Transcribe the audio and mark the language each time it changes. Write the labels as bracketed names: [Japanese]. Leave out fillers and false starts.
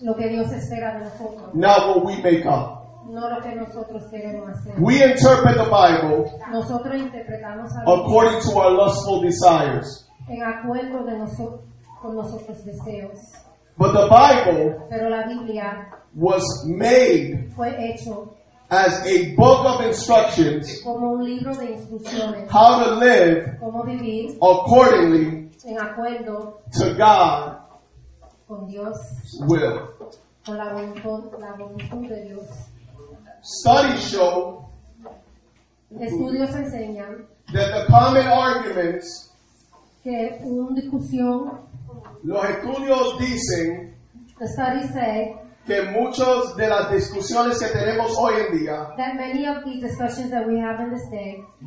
[Spanish] lo que Dios espera de nosotros, [English] not what we make up. [Spanish] No lo que nosotros queremos hacer. [English] We interpret the Bible [Spanish] nosotros interpretamos a [English] according to our lustful desires. [Spanish] En acuerdo de con nosotros deseos. [English] But the Bible, [Spanish] pero la Biblia, [English] was made [Spanish] fue hecho [English] as a book of instructions, [Spanish] como un libro de instrucciones, [English] how to live, [Spanish] como vivir, [English] accordingly, [Spanish] en acuerdo, [English] to God, [Spanish] con Dios, [English] will. [Spanish] Con la voluntad de Dios. [English] Studies show, [Spanish] estudios enseñan, [English] that the common arguments, [Spanish] que un discusión, los estudios dicen, [English] the studies say, [Spanish] que muchas de las discusiones que tenemos hoy en día, [English] that many of these discussions that we have in this day,